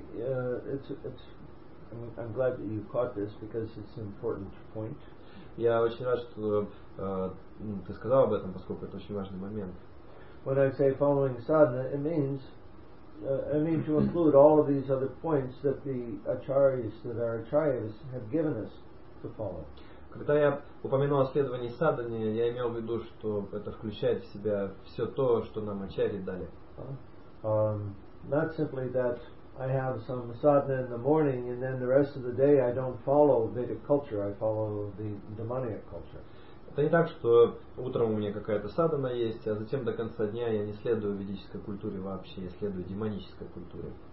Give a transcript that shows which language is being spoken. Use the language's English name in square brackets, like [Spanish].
[English] I'm glad that you caught this because it's an important point. [Russian] Я очень рад, что ты сказал об этом, поскольку это очень важный момент. [English] When I say following sadhana, it means to include all of these other points that the acharyas, that our acharyas have given us to follow. [Russian] Когда я упомянул о следовании садхане, я имел в виду, что это включает в себя все то, что нам ачарьи дали. [English] Not simply that I have some sadhana in the morning and then the rest of the day I don't follow Vedic culture, I follow the demoniac culture. [Russian] Это не так, что утром у меня какая-то садхана есть, а затем до конца дня я не следую ведической культуре вообще, я следую демонической культуре.